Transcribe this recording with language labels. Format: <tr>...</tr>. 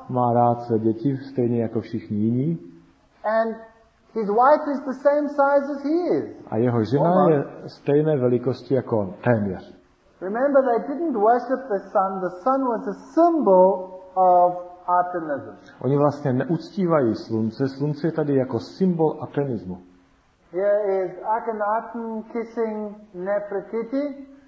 <cs>Má rád své děti stejně jako všichni jiní.</cs> <en>And his wife is the same size as he is.</en> <cs>A jeho žena je stejné velikosti jako on, téměř.</cs> <en>Remember, they didn't worship the sun. The sun was a symbol of Artemism.</en> <cs>Oni vlastně neuctívají slunce. Slunce je tady jako symbol Artemismu.</cs> <en>Here is Akhenaten kissing Nefertiti.</en>